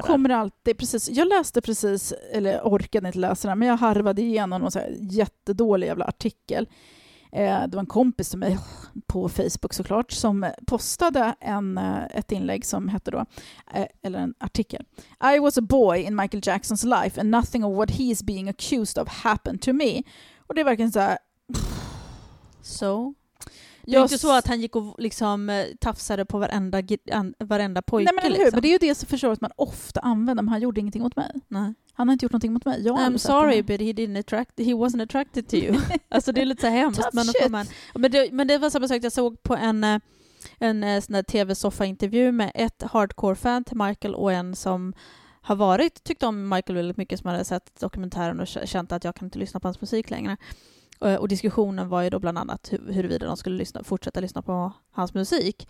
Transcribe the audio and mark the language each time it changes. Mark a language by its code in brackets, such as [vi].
[sv] Så kommer det alltid, precis. Jag läste precis, eller orkade inte läsa det, men jag harvade igenom en så här jättedålig jävla artikel. Det var en kompis till mig på Facebook såklart som postade ett inlägg som hette då, eller en artikel. [en] I was a boy in Michael Jacksons life and nothing of what he is being accused of happened to me. [sv] Och det är verkligen så här, så? Det är inte så att han gick och liksom tafsade på varenda pojke. Nej, men liksom. Hur? Men det är ju det som förstår att man ofta använder, men han gjorde ingenting mot mig. Nej. Han har inte gjort någonting mot mig. [en] I'm sorry, but he wasn't attracted to you. [sv] Alltså det är lite så hemskt. Men det var samma sak. Jag såg på en sån där tv-soffa-intervju med ett hardcore-fan till Michael och en som har varit, tyckte om Michael väldigt mycket, som hade sett dokumentären och känt att jag kan inte lyssna på hans musik längre. Och diskussionen var ju då bland annat huruvida de skulle fortsätta lyssna på hans musik.